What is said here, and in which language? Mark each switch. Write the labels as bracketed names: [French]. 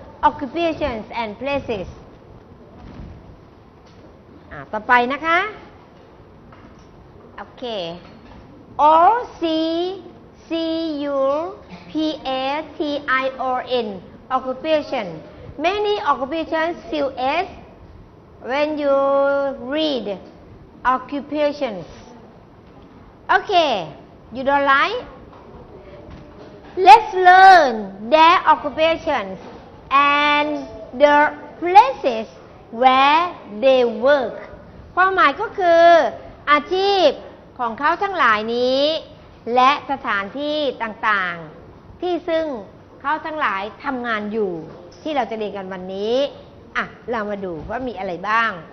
[English] occupations and places. [Thai] ต่อไปนะคะโอเค [English] O C C U P A T I O N occupation. Many occupations fill S when you read occupations. Okay, you don't like? Let's learn their occupations and the places where they work. [Thai] ความหมายก็คืออาชีพของเขาทั้งหลายนี้และสถานที่ต่างๆที่ซึ่งเขาทั้งหลายทำงานอยู่ที่เราจะเรียนกันวันนี้อ่ะเรามาดูว่ามีอะไรบ้าง